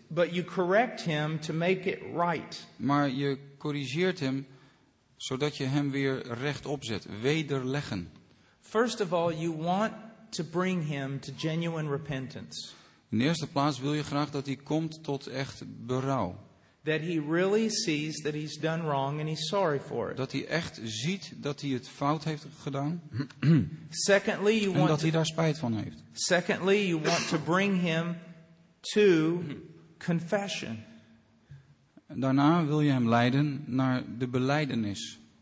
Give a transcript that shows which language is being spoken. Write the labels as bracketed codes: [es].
[en] But you correct him to make it right. [nl] Maar je corrigeert hem zodat je hem weer rechtop zet. Wederleggen. [en] First of all, you want to bring him to genuine repentance. [nl] In de eerste plaats wil je graag dat hij komt tot echt berouw. [en] That he really sees that he's done wrong and he's sorry for it. [nl] Dat hij echt ziet dat hij het fout heeft gedaan. [en] Secondly, you want [nl] en dat hij daar spijt van heeft. [en] Secondly, you want to bring him to confession. [nl] Daarna wil je hem leiden naar de belijdenis.